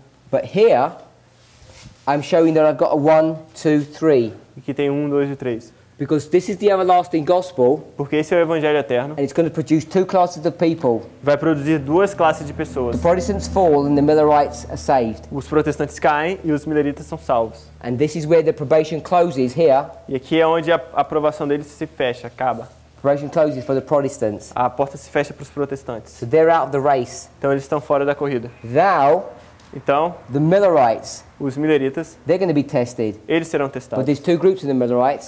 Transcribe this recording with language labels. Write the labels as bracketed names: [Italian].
[English] But here, I'm showing that I've got a 1, 2, 3. [Portuguese] Aqui tem 1, 2 e 3. [English] Because this is the everlasting gospel. [Portuguese] Porque esse é o evangelho eterno. [English] And it's going to produce two classes of people. [Portuguese] Vai produzir duas classes de pessoas. [English] The Protestants fall and the Millerites are saved. [Portuguese] Os protestantes caem e os Milleritas são salvos. [English] And this is where the probation closes here. [Portuguese] E aqui é onde a aprovação deles se fecha, acaba. [English] Probation closes for the Protestants. [Portuguese] A porta se fecha para os protestantes. [English] So they're out of the race. [Portuguese] Então eles estão fora da corrida. [English] Now, [Portuguese] então, [English] the Millerites, [Portuguese] os Milleritas, [English] they're going to be tested. [Portuguese] Eles serão testados. [English] But there's two groups in the Millerites.